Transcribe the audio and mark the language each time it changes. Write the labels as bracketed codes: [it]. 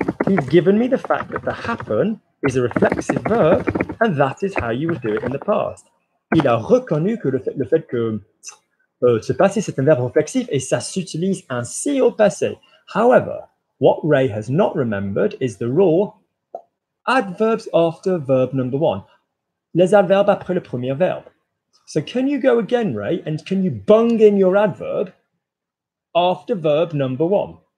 [en] He's given me the fact that the happen is a reflexive verb, and that is how you would do it in the past. [fr] Il a reconnu que le fait que se passer, c'est un verbe reflexif, et ça s'utilise ainsi au passé. [en] However, what Ray has not remembered is the rule adverbs after verb number one. [fr] Les adverbes après le premier verbe. [en] So can you go again, Ray, and can you bung in your adverb after verb number one?